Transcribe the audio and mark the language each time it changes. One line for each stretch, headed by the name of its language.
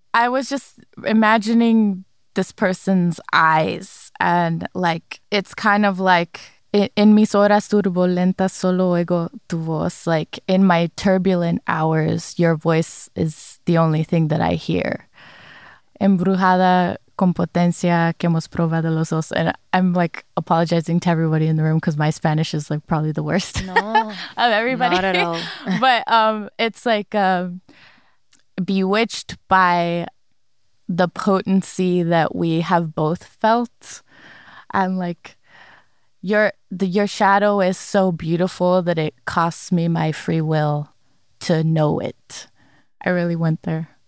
English: I was just imagining this person's eyes. And like, it's kind of like, in
Spanish: mis horas turbulentas solo oigo tu voz.
English: Like, in my turbulent hours, your voice is the only thing that I hear.
Spanish: Embrujada con potencia que hemos probado los dos.
English: And I'm like apologizing to everybody in the room because my Spanish is like probably the worst. No, of everybody. Not at all. But it's like, bewitched by the potency that we have both felt, and like your shadow is so beautiful that it costs me my free will to know it. I really went there.